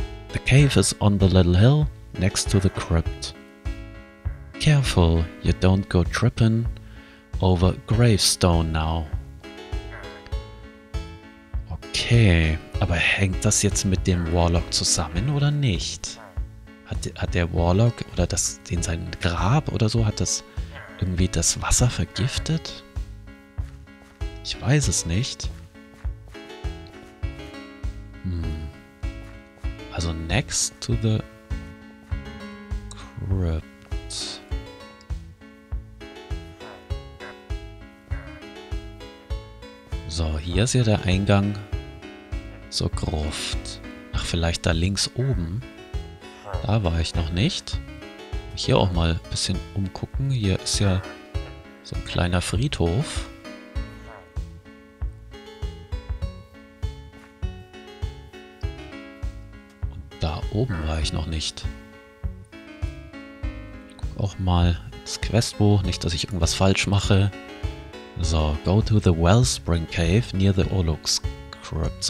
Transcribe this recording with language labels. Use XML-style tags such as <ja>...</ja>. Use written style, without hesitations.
<en>The cave is on the little hill next to the crypt. Careful you don't go tripping over gravestone now.</en> <de>Okay, aber hängt das jetzt mit dem Warlock zusammen oder nicht? Hat der Warlock oder das in sein Grab oder so, hat das irgendwie das Wasser vergiftet? Ich weiß es nicht.</de> <en>Also next to the crypt.</en> <de>So, hier ist ja der Eingang zur Gruft. Ach, vielleicht da links oben. Da war ich noch nicht. Hier auch mal ein bisschen umgucken. Hier ist ja so ein kleiner Friedhof. Oben war ich noch nicht. Ich guck auch mal ins Questbuch, nicht, dass ich irgendwas falsch mache.</de> <en>So, go to the Wellspring Cave near the Orlux Crypts.</en>